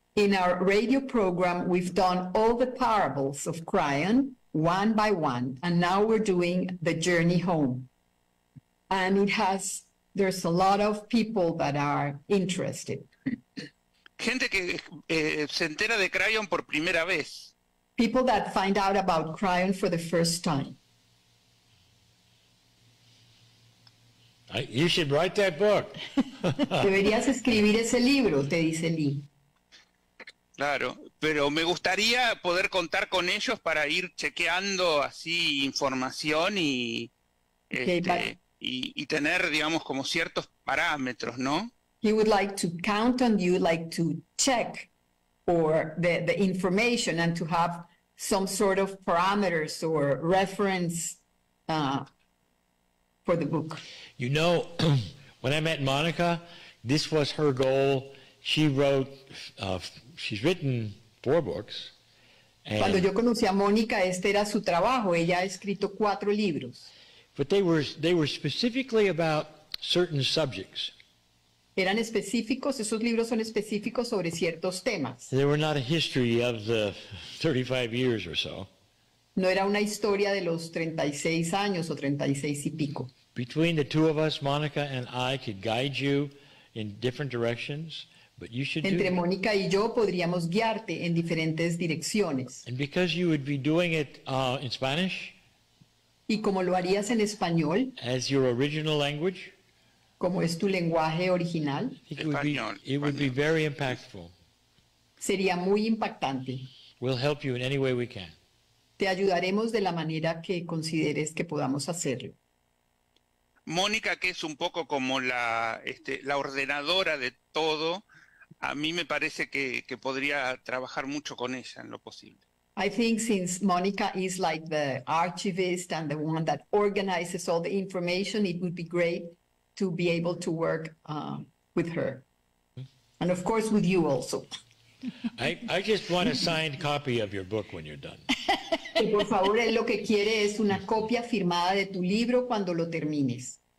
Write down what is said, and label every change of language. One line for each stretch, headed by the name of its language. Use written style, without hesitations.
English: In our radio program, we've done all the parables of Crayon one by one, and now we're doing the journey home. And there's a lot of people that are interested.
Spanish: Gente que se entera de Crayon por primera vez.
English: People that find out about Crayon for the first time. You should write that book.
Spanish: Deberías escribir ese libro, te dice Lee. Claro, pero me gustaría poder contar con ellos para ir chequeando así información y tener, digamos, como ciertos parámetros, ¿no?
English: He would like to count on you, like to check for the information and to have some sort of parameters or reference for the book. You know, when I met Monica, this was her goal. She wrote, she's written 4 books.
Spanish: And cuando yo conocí a Mónica, este era su trabajo. Ella ha escrito 4 libros.
English: But they were specifically about certain subjects.
Spanish: Eran específicos, esos libros son específicos sobre ciertos temas.
English: They were not a history of the 35 years or so.
Spanish: No era una historia de los 36 años o 36 y pico.
English: Between the two of us, Monica and I could guide you in different directions, but you should
Spanish: Entre Mónica y yo podríamos guiarte en diferentes direcciones.
English: And because you would be doing it in Spanish,
Spanish: y como lo harías en español,
English: as your original language,
Spanish: como es tu lenguaje original,
English: it would be very impactful.
Spanish: Sería muy impactante.
English: We'll help you in any way we can.
Spanish: Te ayudaremos de la manera que consideres que podamos hacerlo. Mónica, que es un poco como la ordenadora de todo, a mí me parece que podría trabajar mucho con ella en lo posible.
English: I think since Monica is like the archivist and the one that organizes all the information, it would be great to be able to work with her. And of course with you also. I just want a signed copy of your book when you're done.
Spanish: Y por favor, él lo que quiere es una copia firmada de tu libro cuando lo termines.